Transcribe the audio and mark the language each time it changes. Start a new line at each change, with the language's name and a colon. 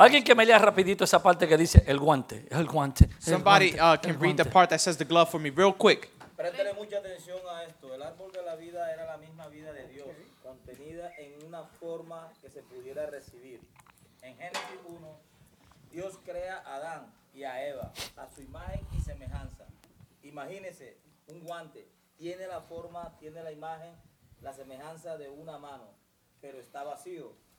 Spanish: Alguien que me lea rapidito esa parte que dice el guante, el guante.
English: Somebody can read the part that says the glove for me real quick.
Spanish: Préstale mucha atención a esto. El árbol de la vida era la misma vida de Dios, contenida en una forma que se pudiera recibir. En Génesis 1, Dios crea a Adán y a Eva a su imagen y semejanza. Imagínese, un guante tiene la forma, tiene la imagen, la semejanza de una mano, pero está vacío.